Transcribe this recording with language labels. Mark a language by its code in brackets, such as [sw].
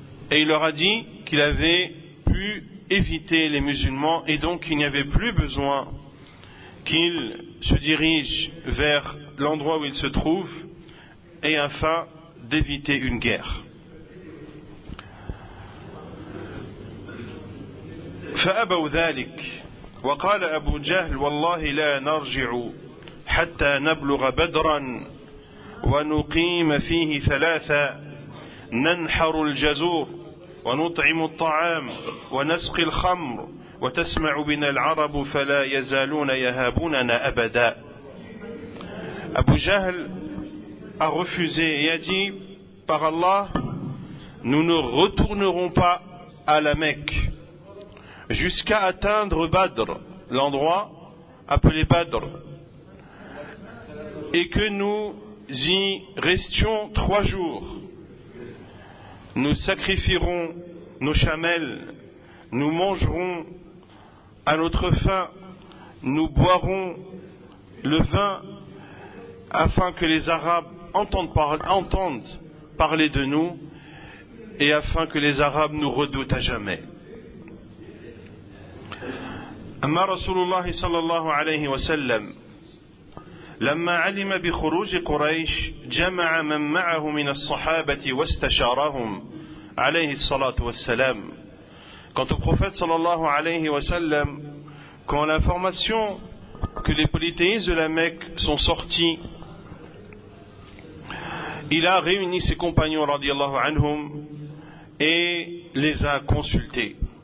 [fr] Et il leur a dit qu'il avait pu éviter les musulmans et donc il n'y avait plus besoin qu'ils se dirigent vers l'endroit où ils se trouvent et afin d'éviter une guerre. [ar] فَأَبَوْ ذَلِكَ وَقَالَ أَبُوْ جَهْلُ وَاللَّهِ لَا نَرْجِعُ حَتَّى نَبْلُغَ بَدْرًا ونقيم فيه ثلاثة ننحر الجزور ونطعم الطعام ونسقي الخمر وتسمع بنا العرب فلا يزالون يهابوننا أبدا. [fr] Abu Jahl a refusé et a dit, par Allah, nous ne retournerons pas à la Mecque jusqu'à atteindre Badr, l'endroit appelé Badr, et que nous y restions 3 jours. Nous sacrifierons nos chamelles, nous mangerons à notre faim, nous boirons le vin afin que les Arabes entendent parler de nous et afin que les Arabes nous redoutent à jamais. [ar] Amma Rasulullah sallallahu alayhi wa sallam, لما علم بخروج قريش جمع من معه من الصحابة واستشارهم عليه الصلاة والسلام. [fr] Quand le prophète sallallahu alayhi wa sallam, quand l'information que les polythéistes de la Mecque sont sortis, il a réuni ses compagnons radiallahu anhum et les a consultés.